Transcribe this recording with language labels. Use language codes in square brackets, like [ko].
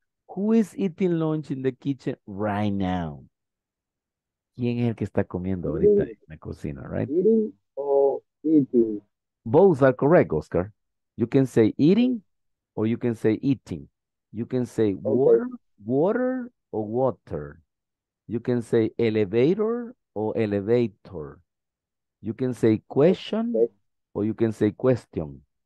[en] Who is eating lunch in the kitchen right now? [es] ¿Quién es el que está comiendo ahorita en la cocina, right? [en] Eating or eating. Both are correct, Oscar. You can say eating or you can say eating. You can say water or water. You can say elevator or elevator. You can say question or you can say question.